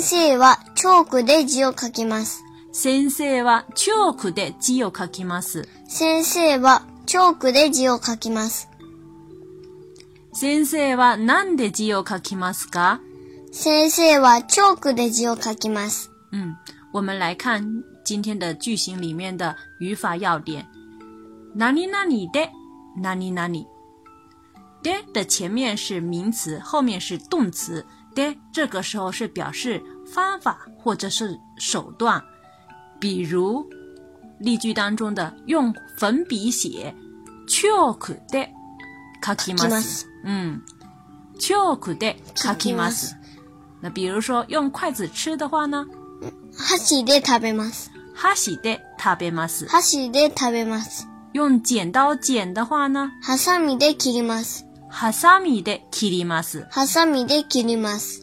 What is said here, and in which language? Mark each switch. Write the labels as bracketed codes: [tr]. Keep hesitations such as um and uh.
[ja] 生はチョークで字を書きます。先生はチョークで字を書きます。先生はチョークで字を書きます。先生は何で字を書きますか先生はチョークで字を書きます。ますうん。 [zh] 我们来看今天的句型里面的语法要点。 [ja] 何々で、何々。でで、 [zh] 前面是名词，后面是动词。的这个时候是表示方法或者是手段，比如例句当中的用粉笔写， [ja] チョークで書きます。嗯，チョークで書きます。 [zh] ます那比如说用筷子吃的话呢？ [ja] 箸で食べます。箸で食べます。箸で食べます。 [zh] 用剪刀剪的话呢？ [ja] ハサミで切ります。ハサミで切ります。ハサミで切ります。